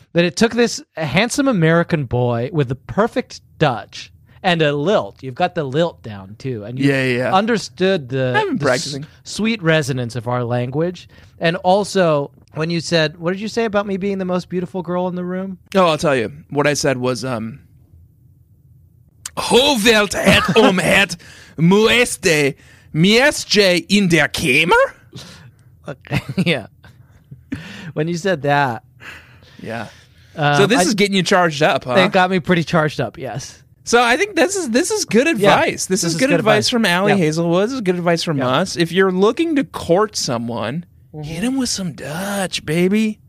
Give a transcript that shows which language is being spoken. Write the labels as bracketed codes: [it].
[en] That it took this handsome American boy with the perfect Dutch and a lilt. You've got the lilt down, too. And you understood the sweet resonance of our language. And also, when you said, what did you say about me being the most beautiful girl in the room? Oh, I'll tell you. What I said was, [nl] Hoe wilt het om het mooiste meisje in der kamer? [en] Yeah. When you said that. Yeah. So this is getting you charged up, huh? It got me pretty charged up, yes. So I think this is good advice. Yeah, this is good advice from Allie Hazelwood. This is good advice from us. If you're looking to court someone, hit him with some Dutch, baby.